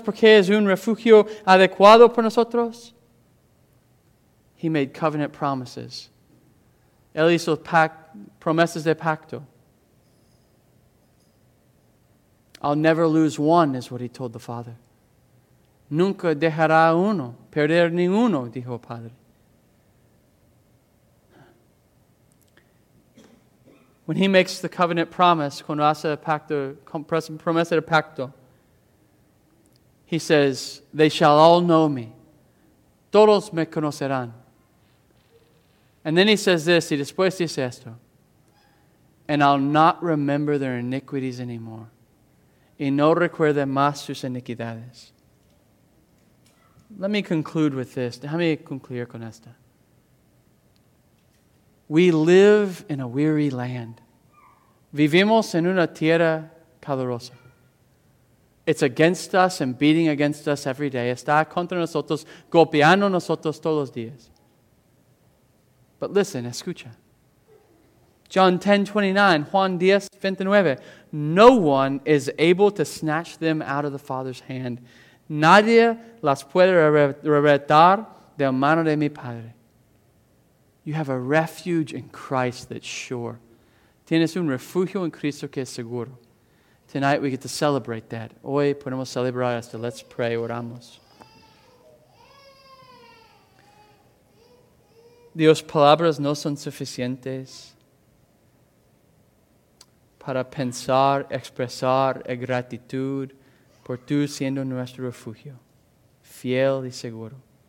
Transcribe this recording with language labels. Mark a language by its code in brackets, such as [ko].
[es] Porque es un refugio adecuado para nosotros. [en] He made covenant promises. [es] Él hizo promesas de pacto. [en] I'll never lose one, is what he told the Father. [es] Nunca dejará uno, perder ninguno, dijo el Padre. [en] When he makes the covenant promise, [es] cuando hace el pacto, promesa de pacto, [en] he says, they shall all know me. [es] Todos me conocerán. [en] And then he says this, [es] y después dice esto, [en] and I'll not remember their iniquities anymore. [es] Y no recuerde más sus iniquidades. [en] Let me conclude with this. [es] Déjame concluir con esta. [en] We live in a weary land. [es] Vivimos en una tierra calurosa. [en] It's against us and beating against us every day. [es] Está contra nosotros, golpeando nosotros todos los días. [en] But listen, [es] escucha. [en] John 10:29, Juan 10:29. No one is able to snatch them out of the Father's hand. [es] Nadie las puede arrebatar de la mano de mi Padre. [en] You have a refuge in Christ that's sure. [es] Tienes un refugio en Cristo que es seguro. [en] Tonight we get to celebrate that. [es] Hoy podemos celebrar esto. [en] Let's pray, [es] oramos. Dios, palabras no son suficientes para pensar, expresar gratitud por tú siendo nuestro refugio, fiel y seguro.